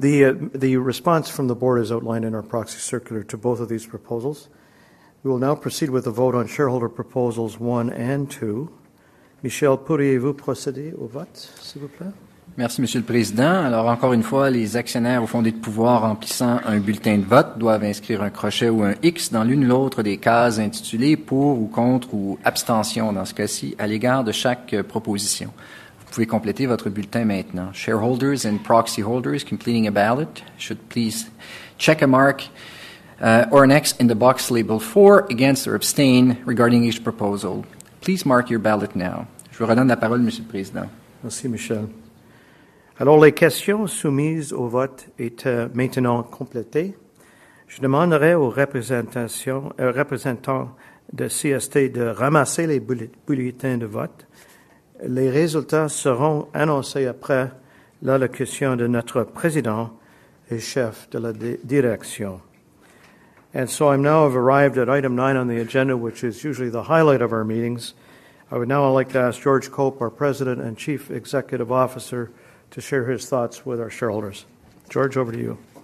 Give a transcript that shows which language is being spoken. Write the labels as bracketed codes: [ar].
[en] The response from the board is outlined in our proxy circular to both of these proposals. We will now proceed with the vote on shareholder proposals 1 and 2. [fr] Michel, pourriez-vous procéder au vote, s'il vous plaît? Merci, Monsieur le Président. Alors, encore une fois, les actionnaires ou fondés de pouvoir remplissant un bulletin de vote doivent inscrire un crochet ou un X dans l'une ou l'autre des cases intitulées « pour » ou « contre » ou « abstention » dans ce cas-ci, à l'égard de chaque proposition. Vous pouvez compléter votre bulletin maintenant. [en] Shareholders and proxy holders completing a ballot should please check a mark or an X in the box labeled for, against or abstain regarding each proposal. Please mark your ballot now. [fr] Je vous redonne la parole, Monsieur le Président. Merci, Michel. Alors, les questions soumises au vote étant maintenant complétées, je demanderai aux représentants de CST de ramasser les bulletins de vote. Les résultats seront annoncés après l'allocution de notre président et chef de la direction. [en] And so I now have arrived at item 9 on the agenda, which is usually the highlight of our meetings. I would now like to ask George Cope, our president and chief executive officer, to share his thoughts with our shareholders. George, over to you.